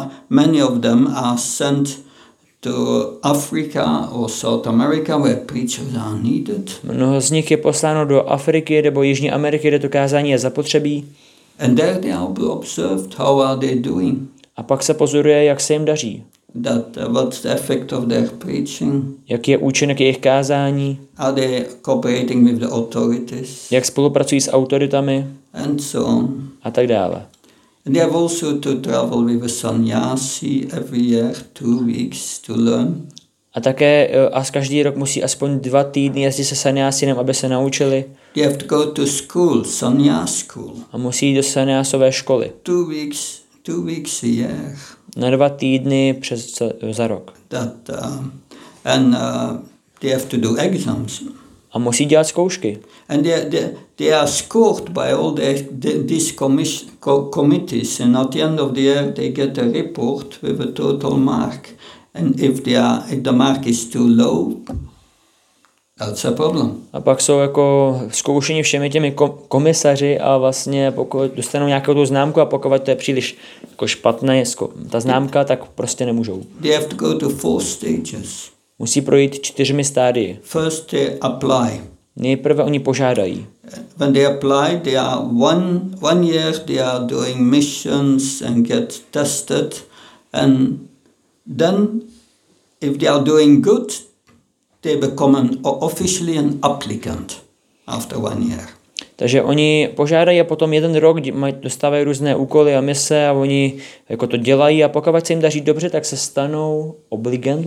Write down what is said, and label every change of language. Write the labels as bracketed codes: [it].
[en] Many of them are sent to Africa or South America where preachers are needed. [cs] Mnoho z nich je posláno do Afriky nebo Jižní Ameriky, kde to kázání je zapotřebí. [en] And there they are observed how are they doing. [cs] A pak se pozoruje, jak se jim daří. [en] That what's the effect of their preaching? [cs] Jaký je účinek jejich kázání? [en] Are they cooperating with the authorities? [cs] Jak spolupracují s autoritami? [en] And so on. [cs] A tak dále. [en] And they have also to travel with a sannyasi every year 2 weeks to learn. [cs] A také a každý rok musí aspoň 2 týdny jezdit se sannyasinem, aby se naučili. [en] They have to go to school, sannyas school. [cs] A musí jít do sannyasové školy. [en] 2 weeks. 2 weeks a year. [cs] Na 2 týdny přes za rok. [en] That, and they have to do exams. [cs] A musí dělat zkoušky. [en] And they are scored by all these committees. And at the end of the year, they get a report with a total mark. And if the mark is too low, that's a problem. [cs] A pak jsou jako zkoušení všemi těmi komisaři a vlastně pokud dostanou nějakou tu známku a pokud to je příliš jako špatné ta známka, tak prostě nemůžou. [en] They have to go to 4 stages. [cs] Musí projít 4 stádii. [en] First they apply. [cs] Nejprve oni požádají. [en] When they apply, they are one year they are doing missions and get tested, and then if they are doing good, they become officially an applicant after 1 year. [cs] Takže oni požádají a potom jeden rok dostávají různé úkoly a mise a oni jako to dělají a pokud se jim daří dobře, tak se stanou obligant.